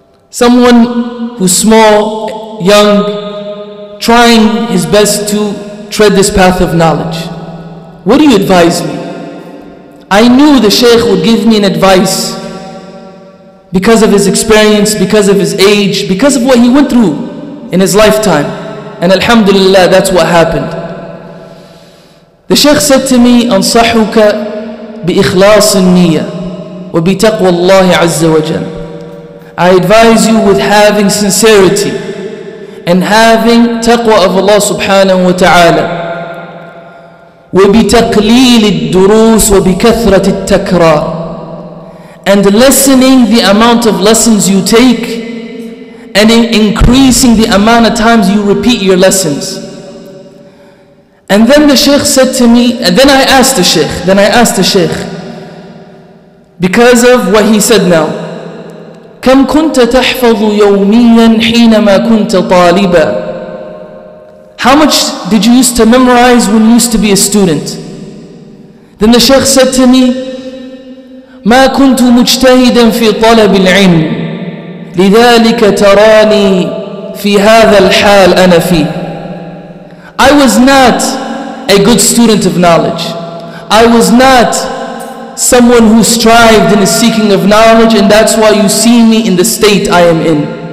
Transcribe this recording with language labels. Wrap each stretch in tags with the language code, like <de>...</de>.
<en>Someone who's small, young, trying his best to tread this path of knowledge. What do you advise me? I knew the Shaykh would give me an advice because of his experience, because of his age, because of what he went through in his lifetime. And alhamdulillah, that's what happened. The Shaykh said to me,</en> <ar>أَنصَحُكَ بِإِخْلَاصِ النِّيَّةِ وَبِتَقْوَى اللَّهِ عَزَّ وَجَلَّ.</ar> <en>I advise you with having sincerity and having taqwa of Allah subhanahu wa ta'ala.</en> <ar>وَبِتَقْلِيلِ الدُّرُوسِ وَبِكَثْرَةِ التَّكْرَارِ.</ar> <en>And lessening the amount of lessons you take and increasing the amount of times you repeat your lessons. And then the Shaykh said to me, and then I asked the Shaykh, because of what he said now,</en> <ar>كَمْ كُنْتَ تَحْفَظُ يَوْمِيًا حِينَمَا كُنْتَ طَالِبًا.</ar> <en>How much did you used to memorize when you used to be a student? Then the Shaykh said to me,</en> <ar>ما كنت مجتهدا في طلب العلم لذلك تراني في هذا الحال أنا فيه.</ar> <en>I was not a good student of knowledge. I was not someone who strived in the seeking of knowledge, and that's why you see me in the state I am in.</en>